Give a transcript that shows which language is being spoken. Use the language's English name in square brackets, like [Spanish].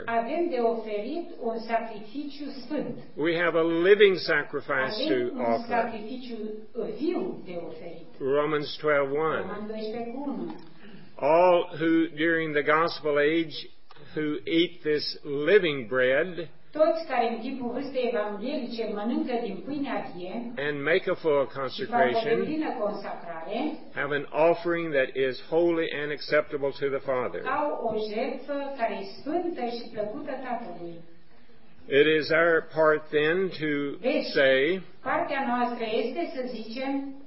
[Romanian] Avem de oferit un sacrificiu sfânt. [English] We have a living sacrifice [Romanian] avem [English] to [Romanian] un [English] offer. [Romanian] Sacrificiu viu de oferit. [English] Romans 12:1. [Romanian] Roman 12:1. [English] All who during the gospel age who eat this living bread, [Romanian] toți care în timpul vârstei evanghelice mănâncă din pâinea vie, [English] and make a full consecration, have an offering that is holy and acceptable to the Father. [Romanian] Au o jertfă care e sfântă și plăcută Tatălui. [English] It is our part then to say, [Romanian] partea noastră este să zicem,